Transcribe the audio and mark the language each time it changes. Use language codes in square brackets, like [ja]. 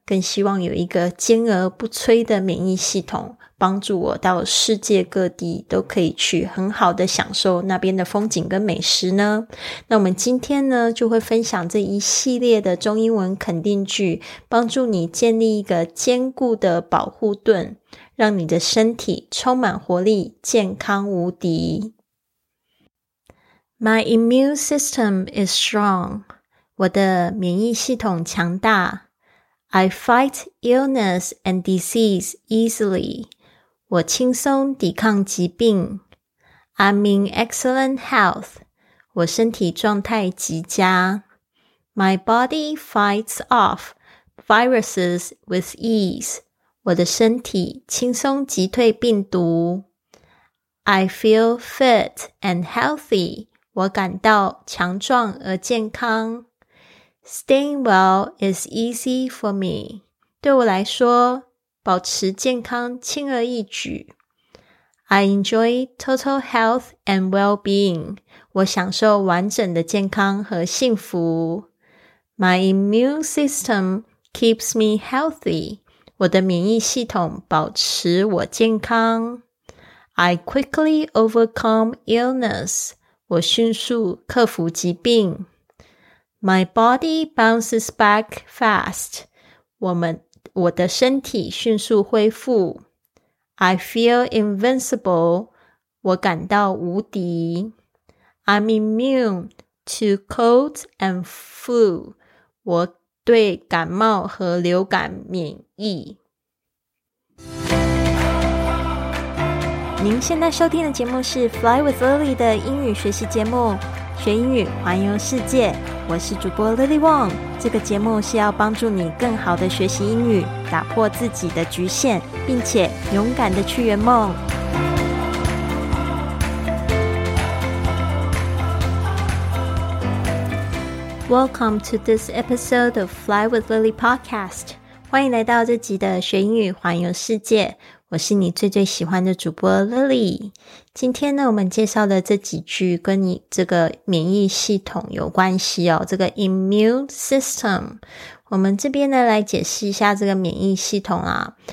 [zh] 更希望有一个坚而不摧的免疫系统，帮助我到世界各地都可以去很好的享受那边的风景跟美食呢？那我们今天呢，就会分享这一系列的中英文肯定句，帮助你建立一个坚固的保护盾，让你的身体充满活力，健康无敌。 [en] My immune system is strong. [zh] 我的免疫系统强大。 [en] I fight illness and disease easily. [zh] 我轻松抵抗疾病。 [en] I'm in excellent health. [zh] 我身体状态极佳。 [en] My body fights off viruses with ease. [zh] 我的身体轻松击退病毒。 [en] I feel fit and healthy. [zh] 我感到强壮而健康。 [en] Staying well is easy for me. [zh] 对我来说，保持健康轻而易举。 [en] I enjoy total health and well-being. [zh] 我享受完整的健康和幸福。 [en] My immune system keeps me healthy. [zh] 我的免疫系统保持我健康。 [en] I quickly overcome illness. [zh] 我迅速克服疾病。 [en] My body bounces back fast. [zh] 我的身体迅速恢复。 [en] I feel invincible. [zh] 我感到无敌。 [en] I'm immune to colds and flu. [zh] 我对感冒和流感免疫。您现在收听的节目是 Fly with Lily 的英语学习节目，学英语环游世界。我是主播 Lily Wong。这个节目是要帮助你更好的学习英语，打破自己的局限，并且勇敢的去圆梦。 [en] Welcome to this episode of Fly with Lily podcast。 [zh] 欢迎来到这集的学英语环游世界。我是你最最喜欢的主播 Lily。今天呢，我们介绍的这几句跟你这个免疫系统有关系哦，这个 immune system。我们这边呢来解释一下这个免疫系统啊。